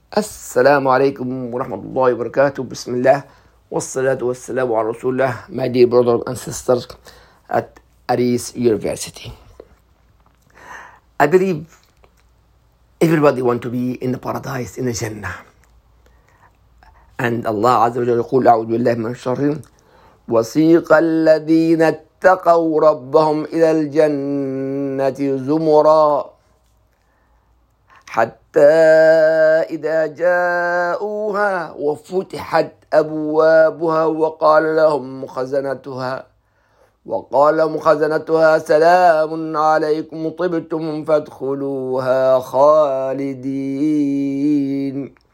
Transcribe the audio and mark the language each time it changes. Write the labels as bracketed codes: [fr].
[ar] السلام عليكم ورحمة الله وبركاته. بسم الله والصلاة والسلام على رسول الله. [en] My dear brother and sister at Aris University. I believe everybody want to be in the paradise, in the Jannah. And Allah [ar] عز وجل يقول أعوذ بالله من الشر وسيق الذين اتقوا ربهم إلى الجنة زمرا حتى إذا جاءوها وفتحت أبوابها وقال مخزنتها سلام عليكم طبتم فادخلوها خالدين.